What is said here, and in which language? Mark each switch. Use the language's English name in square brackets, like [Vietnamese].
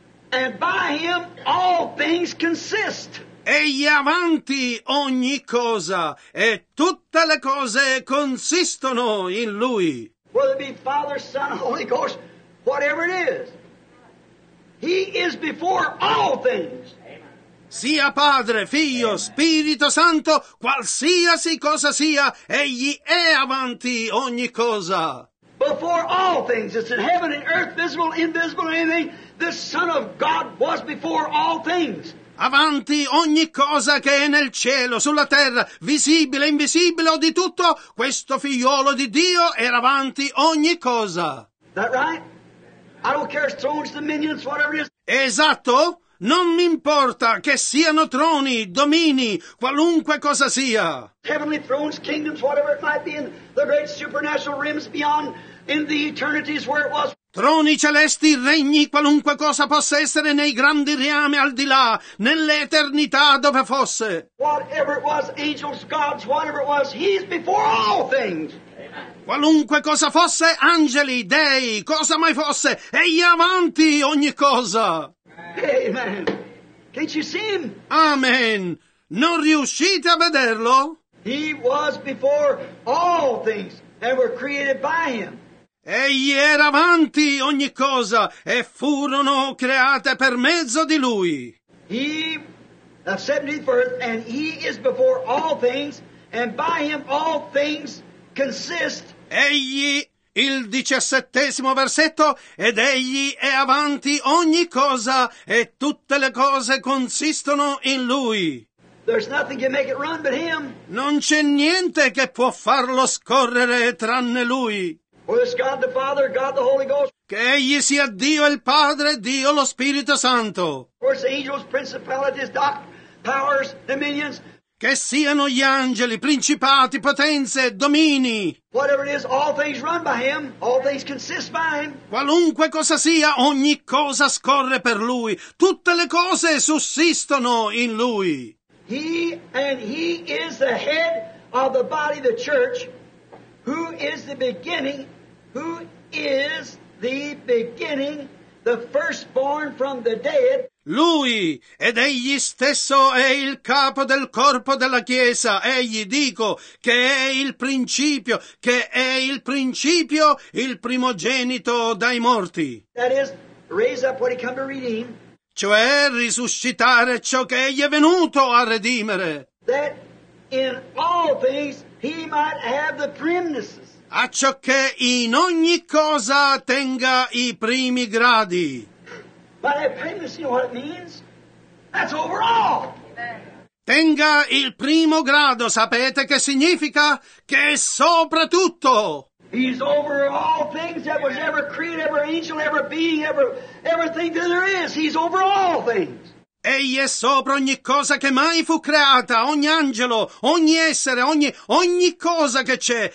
[English] And by him all things consist. [Italian] Egli è avanti ogni cosa, e tutte le cose consistono in lui. [English] Whether it be Father, Son, Holy Ghost, whatever it is. He is before all things. [Italian] Sia Padre, Figlio, Amen. Spirito Santo, qualsiasi cosa sia, egli è avanti ogni cosa. [English] Before all things, it's in heaven and earth, visible, invisible, anything, the Son of God was before all things. [Italian] Avanti ogni cosa che è nel cielo, sulla terra, visibile, invisibile o di tutto, questo figliolo di Dio era avanti ogni cosa. [English] That right? I don't care if thrones, dominions, whatever it is. [Italian] Esatto? Non mi importa che siano troni, domini, qualunque cosa sia. [English] Heavenly thrones, kingdoms, whatever it might be in the great supernatural realms beyond in the eternities where it was. [Italian] Troni celesti, regni, qualunque cosa possa essere nei grandi reami al di là, nelle eternità dove fosse. [English] Whatever it was, angels, gods, whatever it was, he is before all things. [Italian] Qualunque cosa fosse, angeli, dei, cosa mai fosse, egli avanti ogni cosa. [English] Amen. Can't you see him? [Italian] Amen. Non riuscite a vederlo? [English] He was before all things and were created by him. [Italian] Egli era avanti ogni cosa e furono create per mezzo di lui. [English] He, the 17th verse, and he is before all things, and by him all things consist. [Italian] Egli, il 17° versetto, ed egli è avanti ogni cosa e tutte le cose consistono in lui. [English] There's nothing can make it run but him. [Italian] Non c'è niente che può farlo scorrere tranne lui. [English] Or is God the Father, God the Holy Ghost? [Italian] Che egli sia Dio il Padre, Dio lo Spirito Santo. [English] Or is angels, principalities, powers, dominions? [Italian] Che siano gli angeli, principati, potenze, domini. [English] Whatever it is, all things run by him, all things consist by him. [Italian] Qualunque cosa sia, ogni cosa scorre per lui, tutte le cose sussistono in lui. [English] He and he is the head of the body, the church. Who is the beginning? Who is the beginning? The firstborn from the dead. [Italian] Lui, ed egli stesso è il capo del corpo della Chiesa. Egli, dico, che è il principio, che è il principio, il primogenito dai morti. [English] That is, raise up what he come to redeem. [Italian] Cioè, risuscitare ciò che egli è venuto a redimere. [English] That in all things he might have the preeminences. [Italian] A ciò che in ogni cosa tenga i primi gradi. [English] By that preeminence, you know what it means? That's overall. [Italian] Tenga il primo grado, sapete che significa? Che è soprattutto. [English] He's over all things that was ever created, every angel, every being, everything that there is. He's over all things. [Italian] Egli è sopra ogni cosa che mai fu creata, ogni angelo, ogni essere, ogni cosa che c'è.